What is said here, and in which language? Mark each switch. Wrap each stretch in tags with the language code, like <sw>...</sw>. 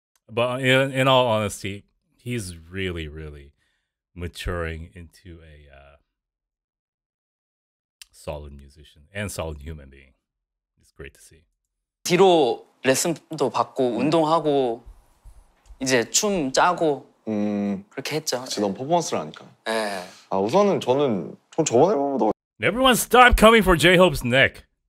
<en>But in all honesty, he's really really maturing into a. Solid musician and solid human being. It's great to see.</en> <ko>뒤로 레슨도 받고 운동하고 이제 춤 짜고 그렇게 했죠. 지금 너무 퍼포먼스를 하니까. 네. 아 우선은 저는 좀 저번 앨범보다.</ko> <en>Everyone, stop coming for J-Hope's neck.</en>